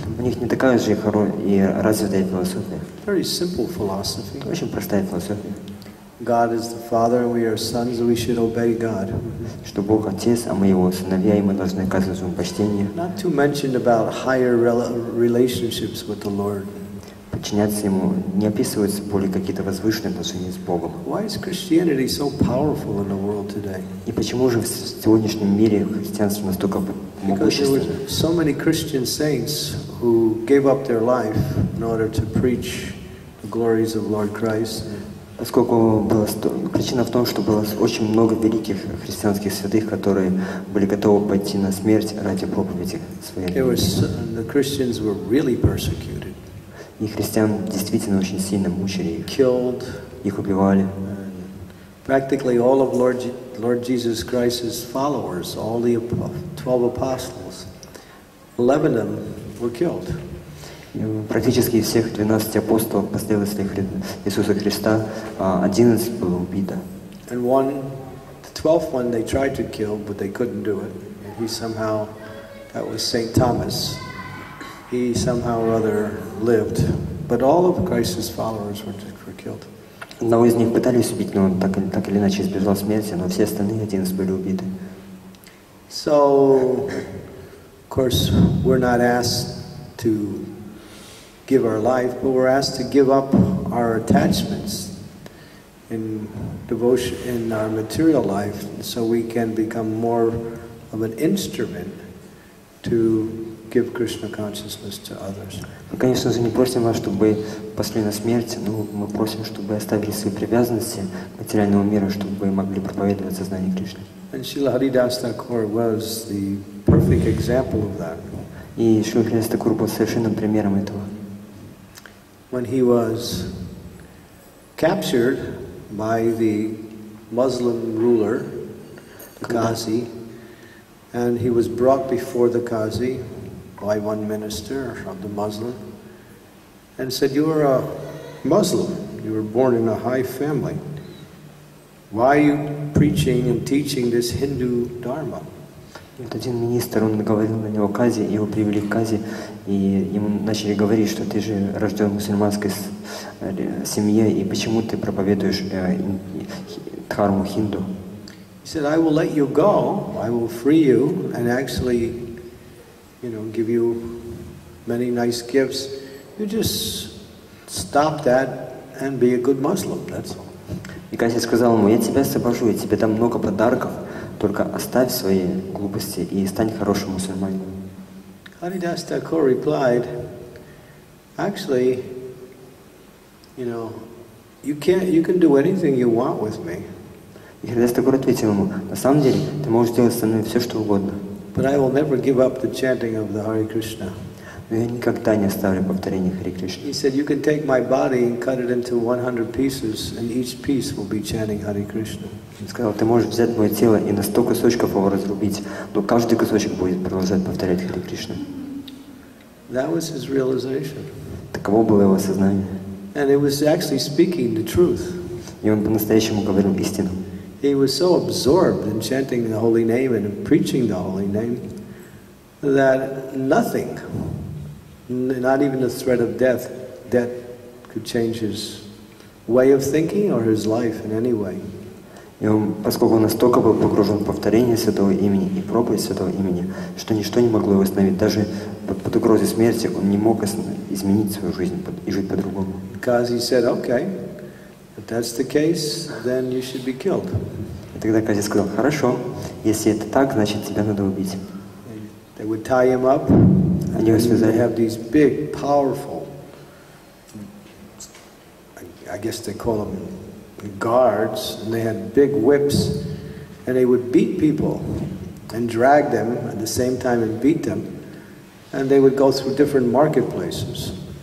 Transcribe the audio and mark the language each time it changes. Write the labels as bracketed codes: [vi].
[ru] У них не такая же хорошая и развитая философия. [en] Very simple philosophy. [ru] Очень простая философия. [en] God is the Father, and we are sons, and we should obey God. [ru] Что Бог отец, а мы его сыновья, и мы должны оказывать ему почтение. [en] Not to mention about higher relationships with the Lord. [ru] Подчиняться ему не описывается более какие-то возвышенные отношения с Богом. [en] Why is Christianity so powerful in the world today? [ru] И почему же в сегодняшнем мире христианство настолько могущественно? [en] Because there were so many Christian saints who gave up their life in order to preach the glories of Lord Christ. [ru] Поскольку была причина в том, что было очень много великих христианских святых, которые были готовы пойти на смерть ради проповеди своей религии. И христиан действительно очень сильно мучили их. Их убивали. [en] Practically all of Lord Jesus Christ's followers, all the 12 apostles, 11 of them were killed. [ru] Практически всех 12 апостолов, последователей Иисуса Христа, 11 было убито. [en] And one, the 12th one they tried to kill, but they couldn't do it. And he somehow, that was St. Thomas, he somehow or other lived. But all of Christ's followers were killed. [ru] Одного из них пытались убить, но он так или иначе избежал смерти, но все остальные 11 были убиты. [en] So, of course, we're not asked to give our life, but we're asked to give up our attachments in devotion in our material life so we can become more of an instrument to give Krishna consciousness to others. [ru] Мы, конечно же, не просим вас, чтобы пошли на смерть, но мы просим, чтобы оставили свои привязанности материального мира, чтобы могли проповедовать сознание Кришны. [en] And Srila Haridas Thakur was the perfect example of that. [ru] И Шрила Харидас Такур был совершенным примером этого. [en] When he was captured by the Muslim ruler, the Qazi, and he was brought before the Qazi by one minister of the Muslim, and said, "You are a Muslim, you were born in a high family. Why are you preaching and teaching this Hindu Dharma?" [ru] Вот один министр, он говорил на него Кази, его привели к Кази, и ему начали говорить, что ты же рожден в мусульманской семье, и почему ты проповедуешь дхарму хинду? [en] He said, "I will let you go, I will free you, and actually, you know, give you many nice gifts. You just stop that and be a good Muslim, that's all." [ru] И Кази сказал ему, я тебя освобожу, я тебе дам много подарков, только оставь свои глупости и стань хорошим мусульманином. [en] Haridas Thakur replied, "Actually, you know, you can do anything you want with me." [ru] И Haridas Thakur ответил ему, "На самом деле, ты можешь делать со мной все, что угодно." [en] "But I will never give up the chanting of the Hare Krishna." [ru] Но я никогда не оставлю повторение Хари Кришны. [en] He said, "You can take my body and cut it into 100 pieces, and each piece will be chanting Hare Krishna." [ru] Он сказал, ты можешь взять мое тело и на 100 кусочков его разрубить, но каждый кусочек будет продолжать повторять Хари Кришну. [en] That was his realization. [ru] Таково было его сознание. [en] And it was actually speaking the truth. [ru] И он по-настоящему говорил истину. [en] He was so absorbed in chanting the holy name and preaching the holy name that nothing, not even the threat of death, that could change his way of thinking or his life in any way. [ru] И он, поскольку он настолько был погружен в повторение святого имени и проповедь святого имени, что ничто не могло его остановить. Даже под угрозой смерти он не мог изменить свою жизнь и жить по-другому. [en] Кази said, "Okay, if that's the case, then you should be killed." [ru] И тогда Кази сказал, "Хорошо, если это так, значит тебя надо убить." [en] They would tie him up. [ru] Они его связали. [en] They have these big, powerful, I guess they call them guards, and they had big whips, and they would beat people and drag them at the same time and beat them, and they would go through different marketplaces.